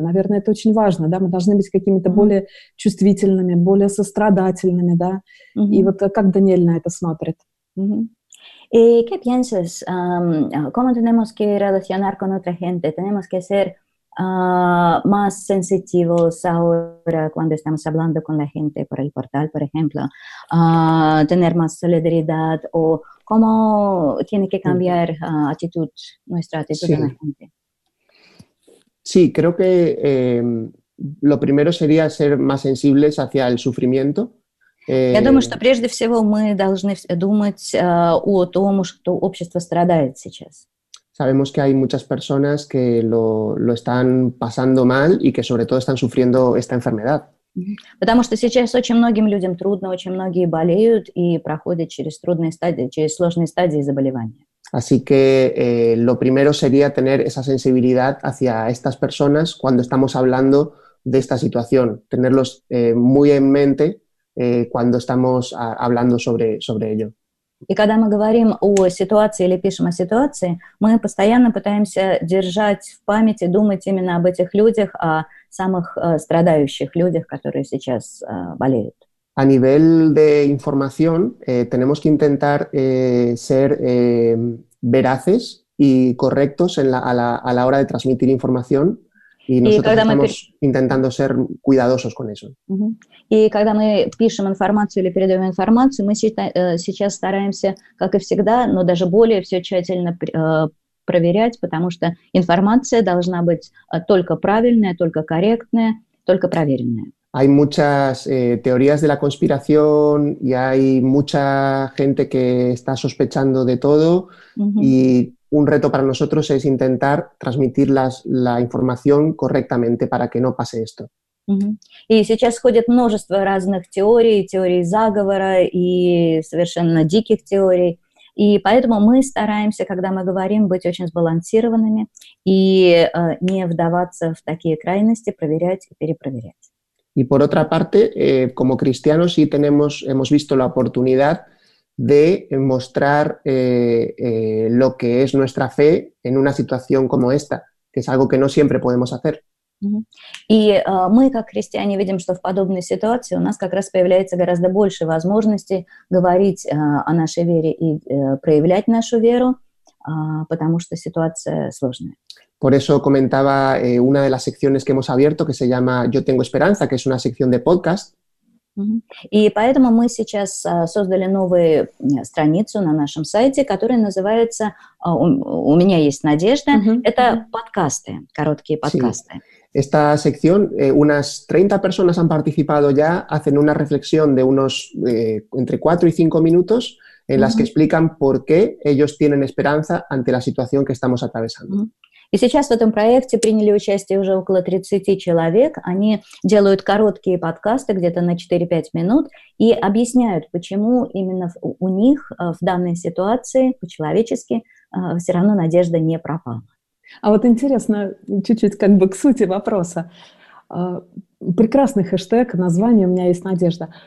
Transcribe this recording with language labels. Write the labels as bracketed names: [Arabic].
[Russian] Наверное, это очень важно, да, мы должны быть какими-то более чувствительными, более сострадательными, да, и вот как Даниэль на это смотрит. [Spanish] ¿Y qué piensas? ¿Cómo tenemos que relacionar con otra gente? ¿Tenemos que ser más sensitivos ahora cuando estamos hablando con la gente por el portal, por ejemplo? ¿Tener más solidaridad? ¿O cómo tiene que cambiar nuestra actitud con la gente? Sí, creo que lo primero sería ser más sensibles hacia el sufrimiento. [Russian] Я думаю, что прежде всего мы должны думать о том, что общество страдает сейчас. [Spanish] Sabemos que hay muchas personas que lo están pasando mal y que sobre todo están sufriendo esta enfermedad. [Russian] Потому что сейчас очень многим людям трудно, очень многие болеют и проходят через трудные стадии, через сложные стадии заболевания. [Spanish] Así que lo primero sería tener esa sensibilidad hacia estas personas cuando estamos hablando de esta situación, tenerlos muy en mente. Cuando estamos hablando sobre ello. [Russian] И когда мы говорим о ситуации или пишем о ситуации, мы постоянно пытаемся держать в памяти, думать именно об этих людях, о самых страдающих людях, которые сейчас болеют. [Spanish] A nivel de información, tenemos que intentar ser veraces y correctos a la hora de transmitir información. [Russian] И [Spanish] нosotros estamos intentando ser cuidadosos con eso. [Russian] И когда мы пишем информацию или передаем информацию, мы сейчас стараемся, как и всегда, но даже более все тщательно проверять, потому что информация должна быть только правильная, только корректная, только проверенная. [Spanish] Hay muchas teorías de la conspiración y hay mucha gente que está sospechando de todo y un reto para nosotros es intentar transmitir la información correctamente para que no pase esto. [Russian] И сейчас ходит множество разных теорий заговора и совершенно диких теорий. И поэтому мы стараемся, когда мы говорим, быть очень сбалансированными и не вдаваться в такие крайности, проверять и перепроверять. [Spanish] Y por otra parte, como cristianos sí hemos visto la oportunidad de mostrar lo que es nuestra fe en una situación como esta, que es algo que no siempre podemos hacer. [Russian] И мы, как христиане, видим, что в подобной ситуации у нас как раз появляется гораздо больше возможностей говорить о нашей вере и проявлять нашу веру, потому что ситуация сложная. [Spanish] Por eso comentaba una de las secciones que hemos abierto, que se llama Yo tengo esperanza, que es una sección de podcast. [Russian] И поэтому мы сейчас создали новую страницу на нашем сайте, которая называется «У меня есть надежда». Это подкасты, короткие подкасты. [Spanish] Sí. Esta sección, unas 30 personas han participado ya, hacen una reflexión de unos entre 4 y 5 minutos en las que explican por qué ellos tienen esperanza ante la situación que estamos atravesando. [Russian] И сейчас в этом проекте приняли участие уже около 30 человек. Они делают короткие подкасты, где-то на 4-5 минут, и объясняют, почему именно у них в данной ситуации, по-человечески, все равно надежда не пропала. А вот интересно, чуть-чуть как бы к сути вопроса. Прекрасный хэштег, название «У меня есть надежда».